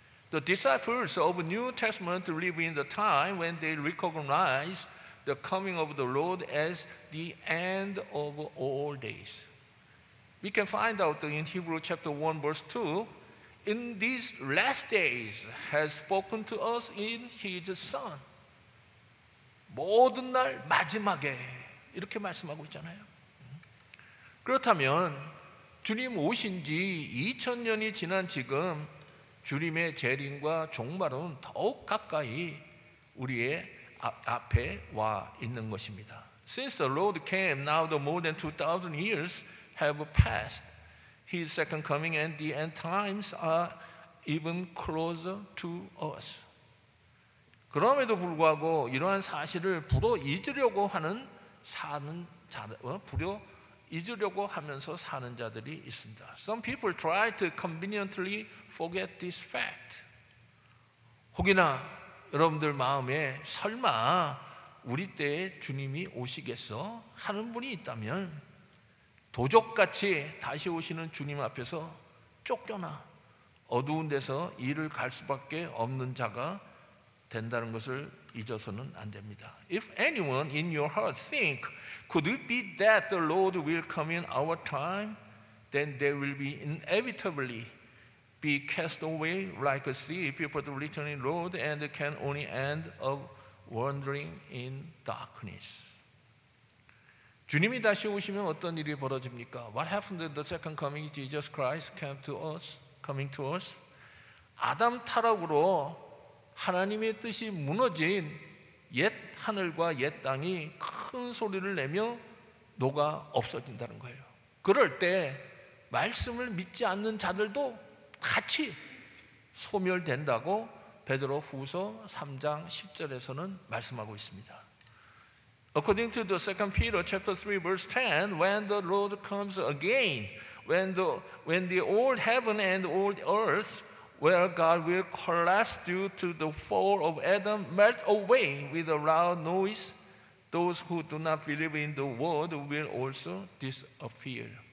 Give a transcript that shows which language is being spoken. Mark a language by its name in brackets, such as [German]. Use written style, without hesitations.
[English] The disciples of New Testament live in the time when they recognize the coming of the Lord as the end of all days. We can find out in Hebrews chapter 1 verse 2, in these last days has spoken to us in his son. [Korean] 모든 날 마지막에 이렇게 말씀하고 있잖아요. 그렇다면 주님 오신 지 2000년이 지난 지금 주님의 재림과 종말은 더욱 가까이 우리의 앞에 와 있는 것입니다. [English] Since the Lord came, now the more than 2,000 years have passed. His second coming and the end times are even closer to us. [Korean] 그럼에도 불구하고 이러한 사실을 불어 잊으려고 하는 사는 자, 불어 잊으려고 하면서 사는 자들이 있습니다. [English] Some people try to conveniently forget this fact. [Korean] 혹이나 여러분들 마음에 설마 우리 때에 주님이 오시겠어 하는 분이 있다면 도적같이 다시 오시는 주님 앞에서 쫓겨나 어두운 데서 일을 갈 수밖에 없는 자가 된다는 것을 잊어서는 안 됩니다. [English] If anyone in your heart think, could it be that the Lord will come in our time, then they will be inevitably be cast away like a sleep before the returning Lord and can only end up wandering in darkness. [Korean] 주님이 다시 오시면 어떤 일이 벌어집니까? [English] What happened at the second coming? Jesus Christ came to us, coming to us. [Korean] 아담 타락으로 하나님의 뜻이 무너진 옛 하늘과 옛 땅이 큰 소리를 내며 녹아 없어진다는 거예요. 그럴 때 말씀을 믿지 않는 자들도 같이 소멸된다고 베드로 후서 3장 10절에서는 말씀하고 있습니다. [English] According to the 2 Peter chapter 3 verse 10, when the Lord comes again, when the old heaven and old earth, where God will collapse due to the fall of Adam, melt away with a loud noise, those who do not believe in the word will also disappear.